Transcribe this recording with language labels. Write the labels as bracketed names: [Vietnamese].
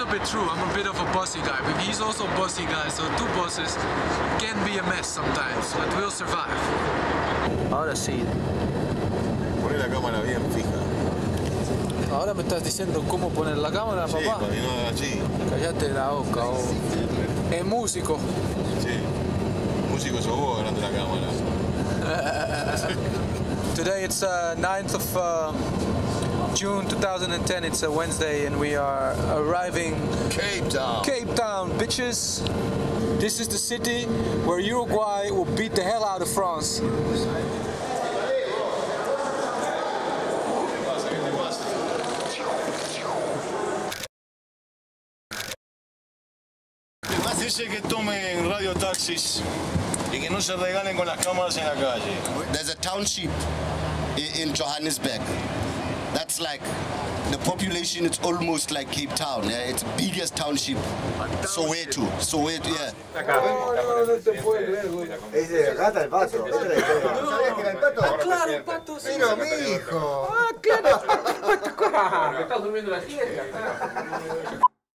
[English] True, I'm a bit of a bossy guy, but he's also a bossy guy, so two bosses can be a mess sometimes, but we'll survive. [Spanish] Ahora sí. Poné la cámara bien fija. Ahora me estás diciendo cómo poner la cámara, sí, papá. Sí, para que no haga así. Cállate la boca, oh. Sí, sí, sí. Es músico. Sí, músico sos vos agarrando la cámara. [English] Today it's 9th of... June 2010, it's a Wednesday, and we are arriving... Cape Town! Cape Town, bitches! This is the city where Uruguay will beat the hell out of France. [Spanish] Dice que tomen radio taxis y que no se regalen con las cámaras en la calle. [English] There's a township in Johannesburg. That's like, the population, it's almost like Cape Town. Yeah? It's the biggest township. Soweto. Soweto, yeah. No,